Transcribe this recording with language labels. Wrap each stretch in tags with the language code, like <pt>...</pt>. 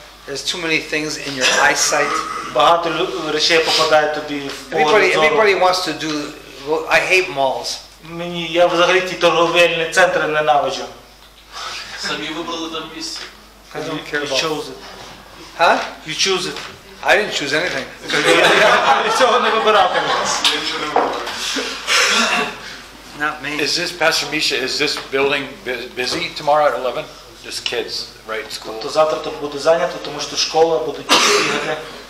<en>There's too many things in your eyesight.</en> <uk>Багато речей попадає тобі в поле зору.</uk> <en>Everybody wants to do... I hate malls.</en> <uk>Мені, я взагалі ті торговельні центри ненавиджу. Самі вибрали там місце.</uk> <en>I don't care about. Chose it. Huh? You choose it. I didn't choose anything.</en> <uk>Цього не вибирав.</uk> <en>Not me. Is this, Pastor Misha, is this building busy tomorrow at 11? Just kids, right, school?</en> <uk>То завтра то буде зайнято, тому що школа буде бігати.</uk>